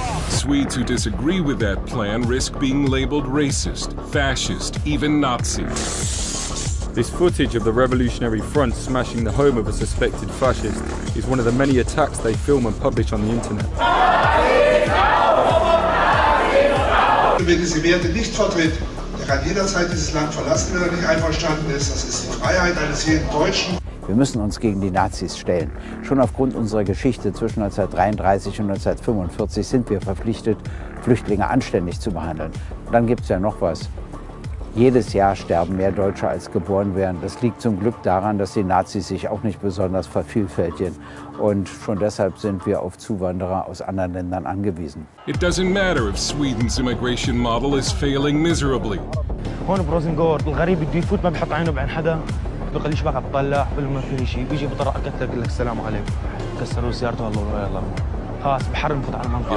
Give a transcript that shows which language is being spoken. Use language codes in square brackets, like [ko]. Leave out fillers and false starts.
[en] Swedes who disagree with that plan risk being labeled racist, fascist, even Nazi. This footage of the Revolutionary Front smashing the home of a suspected fascist is one of the many attacks they film and publish on the internet. [de] Wenn diese Werte nicht vertritt, der kann jederzeit dieses Land verlassen, wenn er nicht einverstanden ist. Das ist die Freiheit eines jeden Deutschen. Wir müssen uns gegen die Nazis stellen. Schon aufgrund unserer Geschichte zwischen 1933 und 1945 sind wir verpflichtet, Flüchtlinge anständig zu behandeln. Und dann gibt es ja noch was. Jedes Jahr sterben mehr Deutsche, als geboren werden. Das liegt zum Glück daran, dass die Nazis sich auch nicht besonders vervielfältigen. Und schon deshalb sind wir auf Zuwanderer aus anderen Ländern angewiesen. [en] It doesn't matter if Sweden's immigration model is failing miserably. [ar] هون بروزنغورد الغريب بده يفوت ما بحط عينه بعين حدا بقول ليش بقعد طلع بقول ما في شيء بيجي بطرق قتلك لك السلام عليك كسروا سيارته الله ولا يلا خلاص بحرم فوت على المنطقه.